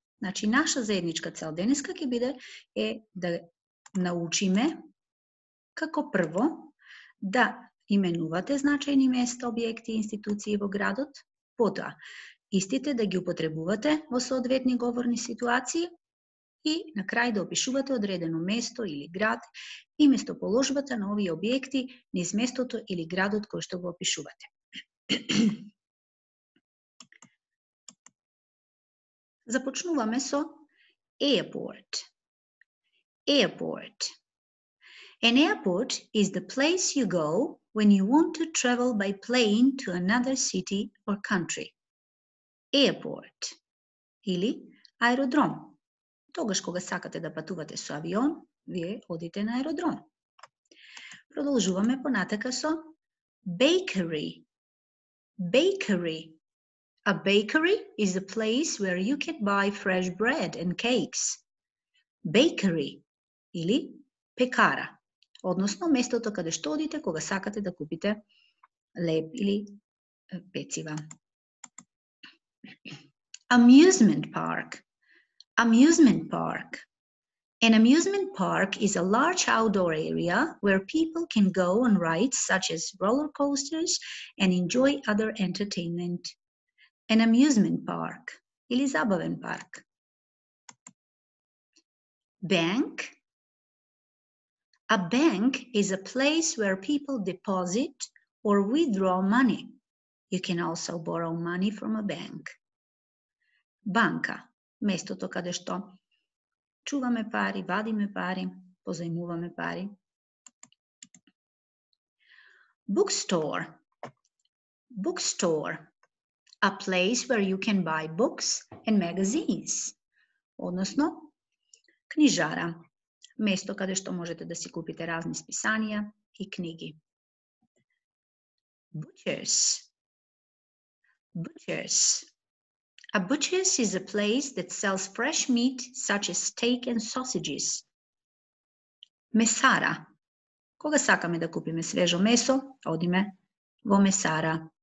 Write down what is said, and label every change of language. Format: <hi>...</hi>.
<mk>Значи, наша заедничка цел денеска ќе биде е да научиме како прво да именувате значајни места, објекти, институции во градот, потоа истите да ги употребувате во соодветни говорни ситуации и на крај да опишувате одредено место или град и местоположбата на овие објекти низ местото или градот кој што го опишувате. Започнуваме со airport.</mk> <en>Airport. An airport is the place you go when you want to travel by plane to another city or country.</en> <mk>Airport. Или аеродром. Тогаш кога сакате да патувате со авион, вие одите на аеродром. Продолжуваме понатака со bakery.</mk> <en>Bakery. A bakery is a place where you can buy fresh bread and cakes.</en> <mk>Bakery, или пекара, односно местото каде што одите кога сакате да купите леб или пецива.</mk> <en>Amusement park. Amusement park. An amusement park is a large outdoor area where people can go on rides such as roller coasters and enjoy other entertainment. An amusement park,</en> <mk>или забавен парк.</mk> <en>Bank. A bank is a place where people deposit or withdraw money. You can also borrow money from a bank.</en> <mk>Банка, местото каде што чуваме пари, вадиме пари, позајмуваме пари.</mk> <en>Bookstore. Bookstore. A place where you can buy books and magazines.</en> <mk>Односно, книжара. Место каде што можете да си купите разни списанија и книги.</mk> <en>Butchers. Butchers. A butchers is a place that sells fresh meat such as steak and sausages.</en> <mk>Месара. Кога сакаме да купиме свежо месо, одиме во месара.</mk>